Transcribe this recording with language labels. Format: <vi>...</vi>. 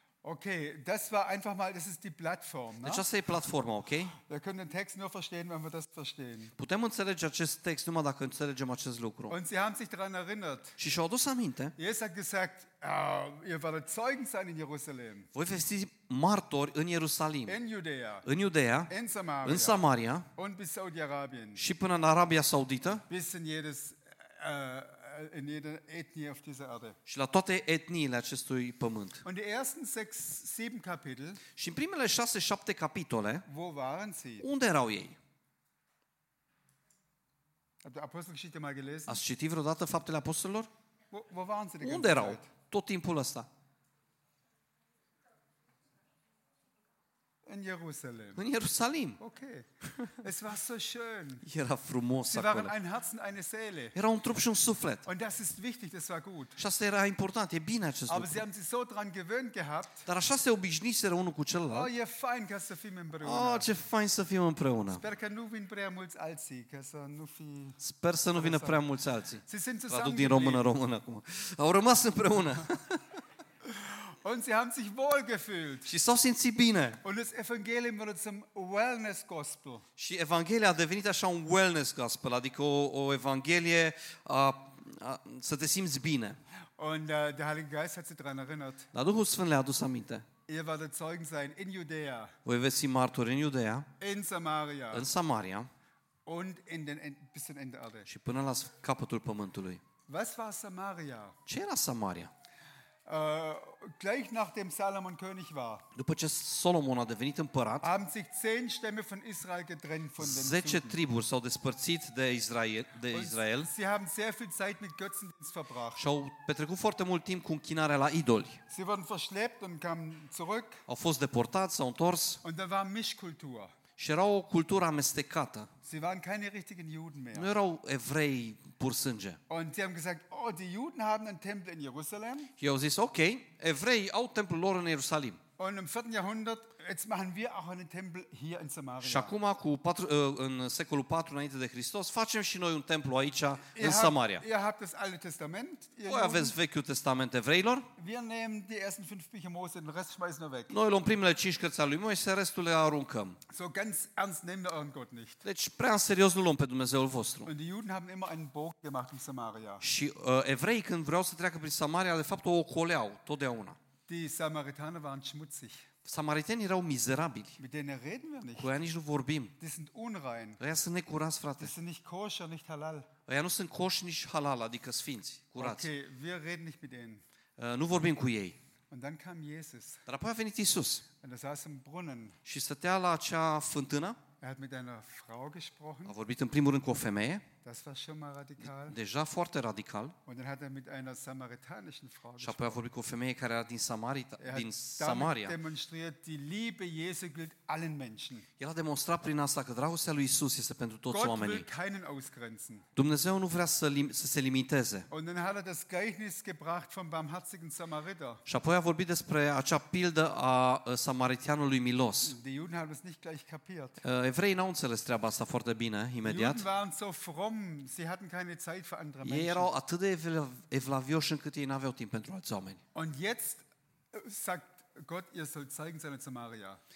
<de>Okay, das war einfach mal, das ist die Plattform, ne?</de> <ro>Deci asta e platforma, okay?</ro> <de>Wir können den Text nur verstehen, wenn wir das verstehen.</de> <ro>Putem înțelege acest text numai dacă înțelegem acest lucru.</ro> <de>Und sie haben sich daran erinnert.</de> <ro>Și și-au adus aminte.</ro> <de>Jesus hat gesagt, ihr werdet Zeugen sein in Jerusalem.</de> <ro>Voi veți fi martori în Ierusalim.</ro> <de>In Judea.</de> <ro>În Iudeea.</ro> <de>In Samaria.</de> <ro>În Samaria.</ro> <de>Und bis Saudi Arabien.</de> <ro>Și până în Arabia Saudită.</ro> <de>Bis in jedes in jeder Ethnie auf dieser Erde.</de> <ro>Și la toate etniile acestui pământ.</ro> <de>Und die ersten 6-7 Kapitel.</de> <ro>Și în primele 6-7 capitole.</ro> <de>Wo waren sie?</de> <ro>Unde erau ei?</ro> <de>Habt ihr Apostelgeschichte mal gelesen?</de> <ro>Ați citit vreodată Faptele Apostolilor?</ro> <de>Wo waren sie?</de> <ro>Unde erau tot timpul ăsta?</ro> <de>In Jerusalem.</de> <ro>În Ierusalim.</ro> <de>Okay. Es war so schön.</de> <ro>Era frumos</ro> <de>acolo. Sie waren ein Herz und eine Seele.</de> <ro>Era un trup și un suflet.</ro> <de>Und das ist wichtig, das war gut.</de> <ro>Și asta era important, e bine acest lucru.</ro> <de>Aber sie haben sich so dran gewöhnt gehabt.</de> <ro>Dar așa se obișnuiseră unul cu celălalt. Oh, e fain ca să fim împreună. Oh, ce fain să fim împreună. Sper că nu vin prea mulți alții, ca să nu fi. Sper să nu vină prea mulți alții.</ro> <de>Sie sind zusammen.</de> <ro>Traduc din română în română acum. Au rămas împreună.</ro> <de>Und sie haben sich wohl gefühlt.</de> <ro>Și s-au simțit bine.</ro> <de>Und das Evangelium wurde zum wellness gospel.</de> <ro>Și Evanghelia a devenit așa un wellness gospel, adică o evanghelie să te simți bine.</ro> <de>Und der Heilige Geist hat sie daran erinnert.</de> <ro>La Duhul Sfânt le-a adus aminte.</ro> <de>Ihr werdet Zeugen sein in Judea.</de> <ro>Voi veți fi martori în Iudeea.</ro> <de>In Samaria.</de> <ro>În Samaria.</ro> <de>Und in den bis zum Ende Erde.</de> <ro>Și până la capătul pământului.</ro> <de>Was war Samaria?</de> <ro>Ce era Samaria?</ro> <de>Gleich nachdem Salomon König war.</de> <ro>După ce Solomon a devenit împărat.</ro> <de>Haben sich 10 Stämme von Israel getrennt von den</de> <ro>10 triburi s-au despărțit de Israel,</ro> <de>Sie haben sehr viel Zeit mit Götzendienst verbracht.</de> <ro>Și au petrecut foarte mult timp cu închinarea la idoli.</ro> <de>Sie wurden verschleppt und kamen zurück.</de> <ro>Au fost deportați, s-au întors.</ro> <de>Und da war Mischkultur.</de> <ro>Și era o cultură amestecată.</ro> <de>Sie waren keine richtigen Juden mehr.</de> <ro>Nu erau evrei pur sânge.</ro> <de>Und sie haben gesagt, oh, die Juden haben einen Tempel in Jerusalem.</de> <ro>Și au zis, ok, evrei au templul lor în Ierusalim.</ro> <de>Und im 4. Jahrhundert, jetzt machen wir auch einen Tempel hier in Samaria.</de> <ro>Și acum, în secolul 4 înainte de Hristos, facem și noi un templu aici, în Samaria.</ro> <de>Ihr habt das Alte Testament.</de> <ro>Voi aveți Vechiul Testament evreilor.</ro> <de>Wir nehmen die ersten 5 Bücher Mose, den Rest schmeißen wir weg.</de> <ro>Noi luăm primele 5 cărți ale lui Moise, restul le aruncăm.</ro> <de>So ganz ernst nehmen wir euren Gott nicht.</de> <ro>Deci prea în serios nu luăm pe Dumnezeul vostru.</ro> <de>Und die Juden haben immer einen Bogen gemacht in Samaria.</de> <ro>Și evreii, când vreau să treacă prin Samaria, de fapt o ocoleau, totdeauna.</ro> <de>Die Samaritaner waren schmutzig.</de> <ro>Samaritenii erau mizerabili.</ro> <de>Mit denen reden wir nicht.</de> <ro>Cu ei nici nu vorbim.</ro> <de>Die sind unrein.</de> <ro>Aia sunt necurați, frate.</ro> <de>Die sind nicht koscher, nicht halal.</de> <ro>Aia nu sunt koscher, nici halal, adică sfinți, curați.</ro> <de>Okay, wir reden nicht mit denen.</de> <ro>Nu vorbim cu ei.</ro> <de>Und dann kam Jesus.</de> <ro>Dar apoi a venit Iisus.</ro> <de>Und er saß im Brunnen.</de> <ro>Și stătea la acea fântână.</ro> <de>Er hat mit einer Frau gesprochen.</de> <ro>A vorbit în primul rând cu o femeie.</ro> <de>Das war schon mal radikal.</de> <ro>Deja foarte radical.</ro> <de>Und dann hat er mit einer samaritanischen Frau gesprochen.</de> <ro>Și apoi a vorbit cu o femeie care era din Samaria, din Samaria.</ro> <de>Demonstriert die Liebe Jesu gilt allen Menschen.</de> <ro>El a demonstrat prin asta că dragostea lui Isus este pentru toți oamenii.</ro> <de>Gott will keinen ausgrenzen.</de> <ro>Dumnezeu nu vrea să se limiteze.</ro> <de>Und dann hat er das Gleichnis gebracht vom barmherzigen Samariter.</de> <ro>Și apoi a vorbit despre acea pildă a samaritianului milos.</ro> <de>Die Juden haben es nicht gleich kapiert.</de> <ro>Evreii n-au înțeles treaba asta foarte bine imediat.</ro> <de>Die Juden waren so fromm. Sie hatten keine Zeit für andere</de> <ro>Menschen. Ei erau atât de evlavioși încât ei n-aveau timp pentru alți oameni.</ro> <de>Und jetzt sagt Gott, ihr sollt zeigen seine Samaria.</de>